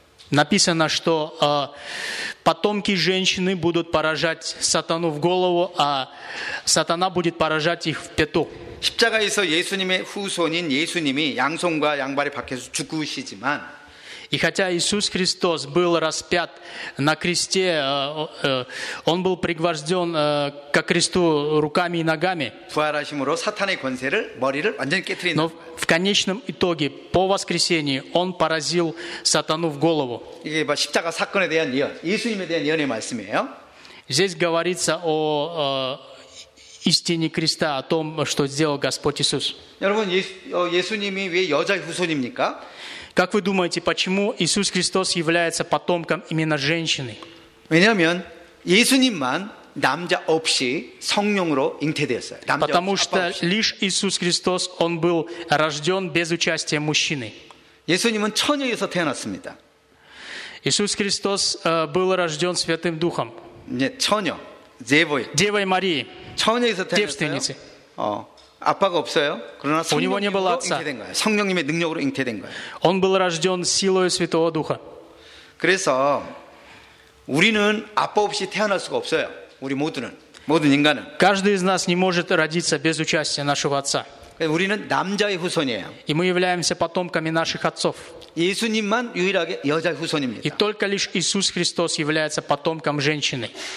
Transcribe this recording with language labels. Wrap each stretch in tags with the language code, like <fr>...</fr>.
<ru>Написано, что потомки женщины будут поражать сатану в голову, а сатана будет поражать их в пяту.</ru> <ko>십자가에서 예수님의 후손인 예수님이 양손과 양발에 박혀서 죽으시지만</ko> <ru>И хотя Иисус Христос был распят на кресте, он был пригвождён к кресту руками и ногами.</ru> <ko>부활하심으로 사탄의 권세를 머리를 완전히 깨뜨린</ko> <ru>Но в конечном итоге по воскресении он поразил сатану в голову.</ru> <ko>이게 바로 십자가 사건에 대한 예언, 예수님에 대한 예언의 말씀이에요.</ko> <ru>Здесь говорится о истине креста, о том, что сделал Господь Иисус.</ru> <ko>여러분, 예수님이 왜 여자의 후손입니까?</ko> <ru>Как вы думаете, почему Иисус Христос является потомком именно женщины?</ru> <ko>왜냐하면 예수님만 남자 없이 성령으로 잉태되었어요. 남자</ko> <ru>Потому что лишь Иисус Христос, Он был рожден без участия мужчины.</ru> <ko>예수님은 처녀에서 태어났습니다.</ko> <ru>Иисус Христос был рожден Святым Духом.</ru> <ko>네, 처녀.</ko> <ru>Девой. Девой Марии. Девственницей. Девственницей.</ru> <ko>어, 아빠가 없어요. 그러나 성령으로 잉태된 거예요. 성령님의 능력으로 잉태된 거예요.</ko> <ru>Он был рождён силой Святого Духа.</ru> <ko>그래서 우리는 아빠 없이 태어날 수가 없어요. 우리 모두는 모든 인간은.</ko> <ru>Каждый из нас не может родиться без участия нашего отца.</ru> <ko>우리는 남자의 후손이에요.</ko> <ru>И мы являемся потомками наших отцов.</ru> <ko>예수님만 유일하게 여자 후손입니다.</ko> <ru>И только лишь Иисус Христос является потомком женщины.</ru>